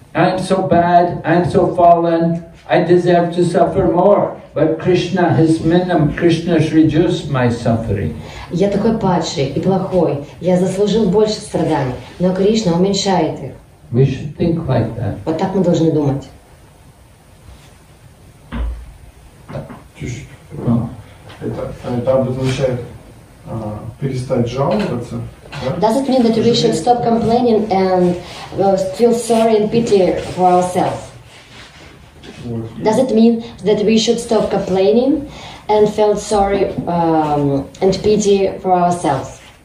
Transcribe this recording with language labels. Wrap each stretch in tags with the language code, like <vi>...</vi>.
<en>I'm so bad, I'm so fallen, I deserve to suffer more, but Krishna has Krishna has reduced my suffering.</en> <ru>Я такой падший и плохой, я заслужил больше страданий, но Кришна уменьшает их.</ru> <en>We should think like that.</en> <ru>Вот так мы должны думать. Это обозначает перестать жаловаться. Да?</ru> <en>Does it mean that we should stop complaining and feel sorry and pity for ourselves? Does it mean that we should stop complaining and feel sorry and pity for ourselves?</en>